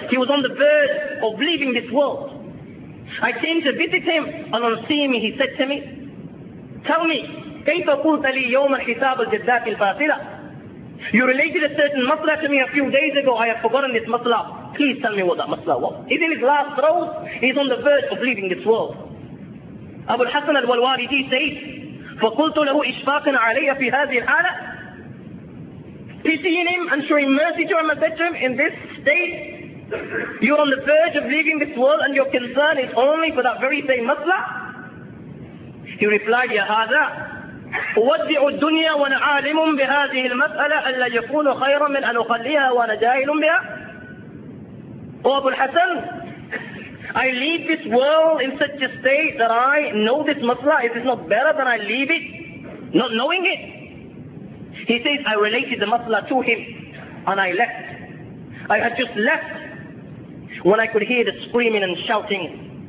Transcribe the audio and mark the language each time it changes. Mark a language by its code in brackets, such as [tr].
[en] He was on the verge of leaving this world. I came to visit him, and on seeing me, he said to me, tell me, [ar] كيف قلت لي يوم الحساب الجدات الفاسدة. [en] You related a certain masla to me a few days ago. I have forgotten this masla. Please tell me what that masla was. He's in his last throes. He's on the verge of leaving this world. [ar] Abu al-Hassan al-Walwalidi [en] says, [ar] فَقُلْتُ لَهُ إِشْفَاقًا عَلَيَّ فِي هَذِي الْحَالَةِ. [en] Pitying him and showing mercy to him, I said to him, in this state, you're on the verge of leaving this world and your concern is only for that very same masla. He replied, [ar] يَا هَذَا أودع الدنيا وأنا عالم بهذه المسألة ألا يكون خيرا من أن أخليها وأنا جاهل بها. [en] أو أبو الحسن, I leave this world in such a state that I know this masala, it is not better than I leave it not knowing it. He says, I related the masala to him and I left. I had just left when I could hear the screaming and shouting.